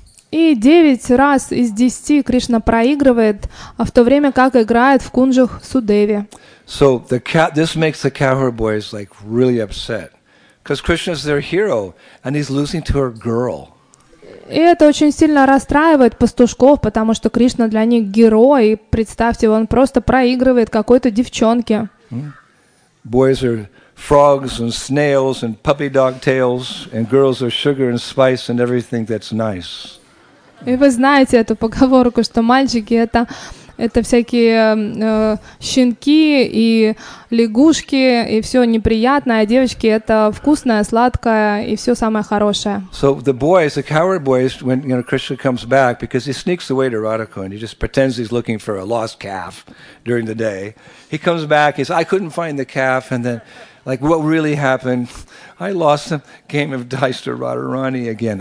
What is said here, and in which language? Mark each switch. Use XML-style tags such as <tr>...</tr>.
<ru>И 9 раз из 10 Кришна проигрывает, а в то время как играет в кунджах Судеви.</ru> <en>So this makes the cowherd boys like really upset, because Krishna is their hero, and he's losing to her girl.</en> <ru>И это очень сильно расстраивает пастушков, потому что Кришна для них герой. Представьте, он просто проигрывает какой-то девчонке.</ru> <en>Boys are frogs and snails and puppy dog tails, and girls are sugar and spice and everything that's nice.</en> <ru>И вы знаете эту поговорку, что мальчики это всякие щенки и лягушки, и все неприятное, а девочки это вкусное, сладкое и все самое хорошее.</ru> <en>So the boys, the coward boys, when you know Krishna comes back, because he sneaks away to Radhika and he just pretends he's looking for a lost calf during the day. He comes back, he says, I couldn't find the calf, and then like what really happened? I lost a game of dice to Radharani again.</en>